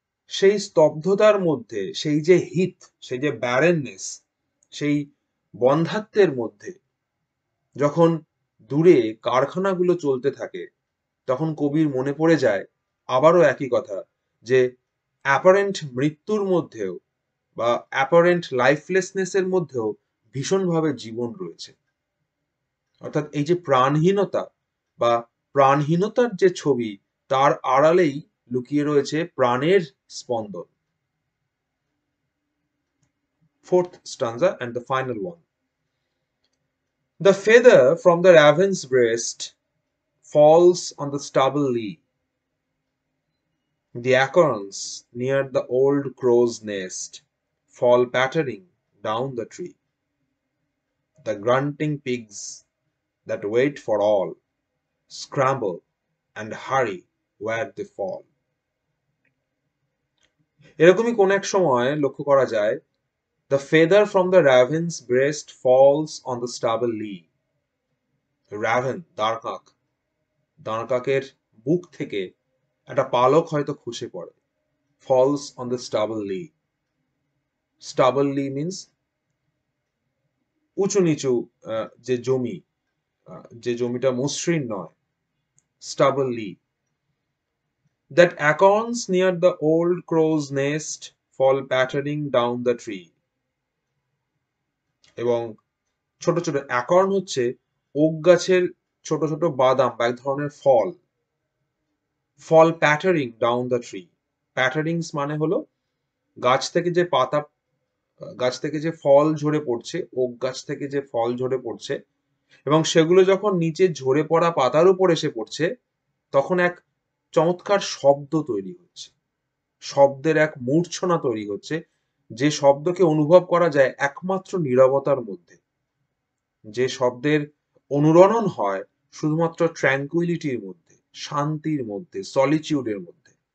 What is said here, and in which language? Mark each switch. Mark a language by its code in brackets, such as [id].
[bn] সেই স্তব্ধতার মধ্যে, সেই যে হিট, সেই যে ব্যারেননেস, সেই বন্ধাত্বের মধ্যে যখন দূরে কারখানাগুলো চলতে থাকে, তখন কবির মনে পড়ে যায় আবারও একই কথা, যে অ্যাপারেন্ট মৃত্যুর মধ্যেও বা অ্যাপারেন্ট লাইফলেসনেস এর মধ্যেও ভীষণভাবে জীবন রয়েছে। অর্থাৎ এই যে প্রাণহীনতা বা প্রাণহীনতার যে ছবি, তার আড়ালেই লুকিয়ে রয়েছে প্রাণের স্পন্দন। [en] Fourth stanza and the final one. The feather from the raven's breast falls on the stubble lea. The acorns near the old crow's nest fall pattering down the tree. The grunting pigs that wait for all scramble and hurry where they fall. [bn] এরকমই কোন এক সময় লক্ষ্য করা যায়, [en] The feather from the raven's breast falls on the stubble lea. [bn] Raven, দাঁড়কাক, দাঁড়কাকের বুক থেকে একটা পালক হয়তো খসে পড়ে, [en] Falls on the stubble lea. [bn] Stable Li means উঁচু নিচু যে জমি, যে জমিটা মসৃণ নয়, stable Li. [en] That acorns near the old crow's nest fall pattering down the tree. [bn] এবং ছোট ছোট অ্যাকর্ন হচ্ছে ওক গাছের ছোট ছোট বাদাম বা এক ধরনের ফল, [en] Fall pattering down the tree. [bn] প্যাটারিংস মানে হলো গাছ থেকে যে পাতা, গাছ থেকে যে ফল ঝরে পড়ছে, ওক গাছ থেকে যে ফল ঝরে পড়ছে, এবং সেগুলো যখন নিচে ঝরে পড়া পাতার উপর এসে পড়ছে, তখন এক চমৎকার শব্দ তৈরি হচ্ছে, শব্দের এক মূর্ছনা তৈরি হচ্ছে, যে শব্দকে অনুভব করা যায় একমাত্র নীরবতার মধ্যে, যে শব্দের অনুরণন হয় শুধুমাত্র ট্র্যাঙ্কুইলিটির মধ্যে, শান্তির মধ্যে, সলিচিউডের মধ্যে।